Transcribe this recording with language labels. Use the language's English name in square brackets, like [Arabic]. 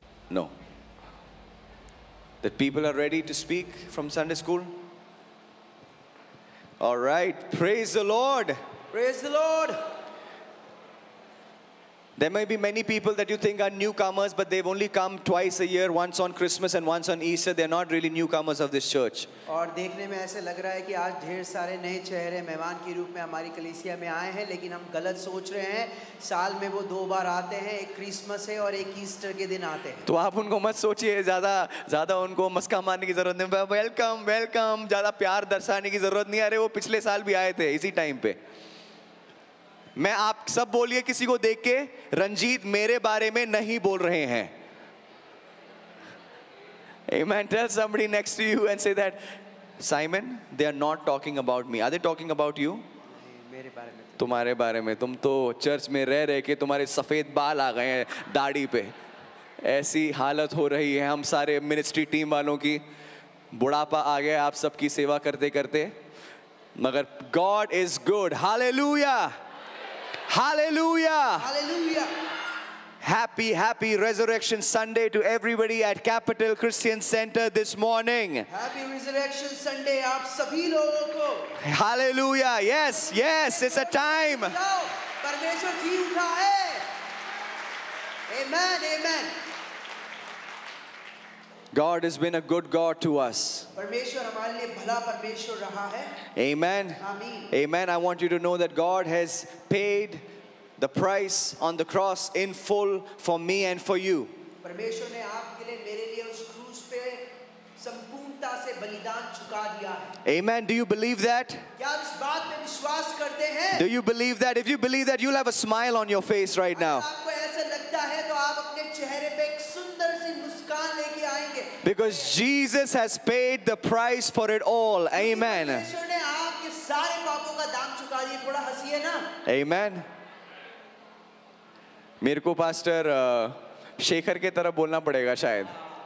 [English] No. The people are ready to speak from Sunday school? All right. Praise the Lord. Praise the Lord. There may be many people that you think are newcomers, but they've only come twice a year, once on Christmas and once on Easter. They're not really newcomers of this church. [Hindi] और देखने में ऐसे लग रहा है कि आज ढेर सारे नए चेहरे मेहमान के रूप में हमारी कलीसिया में आए हैं, लेकिन हम गलत सोच रहे हैं. साल में वो दो बार आते हैं, एक क्रिसमस है और एक ईस्टर के दिन आते हैं. तो आप उनको मत सोचिए, ज्यादा उनको मस्का मारने की जरूरत नहीं. वेलकम वेलकम, ज्यादा प्यार दर्शाने की जरूरत नहीं. अरे वो पिछले साल भी आए थे इसी टाइम पे. मैं आप सब बोलिए किसी को देख के, रंजीत मेरे बारे में नहीं बोल रहे हैं. [English] Amen. Tell somebody next to you and say that, Simon, they are not talking about me. Are they talking about you? [Hindi] मेरे बारे में. तुम्हारे बारे में. तुम तो चर्च में रह रहे के तुम्हारे सफेद बाल आ गए हैं दाढ़ी पे. ऐसी हालत हो रही है हम सारे मिनिस्ट्री टीम वालों की. बुढ़ापा आ गया आप सबकी सेवा करते करते. मगर [English] God is good. [Hindi] Hallelujah, hallelujah, hallelujah. [English] Happy, happy Resurrection Sunday to everybody at Capital Christian Center this morning. Happy Resurrection Sunday, [Hindi] aap sabhi logo ko. [English] Hallelujah, yes, yes, it's a time. [Hindi] Parmeshwar ji utha hai. Amen, amen. [English] God has been a good God to us. [Hindi] Parmeshwar hamare liye bhala parmeshwar raha hai. [English] Amen. Amen. Amen. I want you to know that God has paid the price on the cross in full for me and for you. [Hindi] परमेश्वर ने आपके लिए मेरे लिए उस क्रूस पे संपूर्णता से बलिदान चुका दिया [English] है. Amen. Do you believe that? [Hindi] क्या इस बात पे विश्वास करते हैं? [English] Do you believe that? If you believe that, you'll have a smile on your face right now. [Hindi] आपको ऐसा लगता है तो आप अपने चेहरे पे एक सुंदर सी मुस्कान लेके आएंगे. [English] Because Jesus has paid the price for it all. Amen. [Hindi] परमेश्वर ने आपके सारे पापों का दाम चुका दिया. थोड़ा हंसिए ना. [English] Amen. [Hindi] मेरे को पास्टर शेखर के तरफ बोलना पड़ेगा शायद.